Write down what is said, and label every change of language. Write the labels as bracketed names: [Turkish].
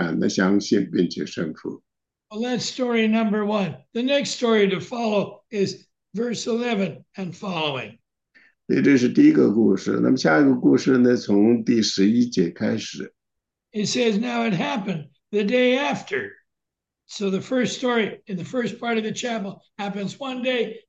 [Chinese] 其实这个里面的这个风暴呢，并没有来到这个百夫长的人生里，而是来到呢他的仆人的人生里。但是呢，他仍然的相信并且顺服。 [English] Well, that's story number one. The next story to follow is verse 11 and following. [Chinese] 所以这是第一个故事。那么下一个故事呢，从第11节开始。 [English] It says, now it happened the day after. So the first story in the first part of the chapel happens one day.